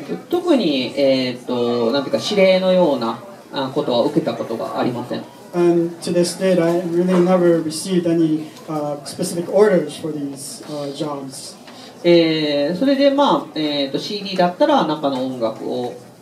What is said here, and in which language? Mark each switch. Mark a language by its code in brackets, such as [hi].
[ja] 特に、なんていうか指令のようなことは受けたことがありません。 [en] And to this date, I really never received any specific orders for these jobs. [ja] それでまあ、CD だったら中の音楽を。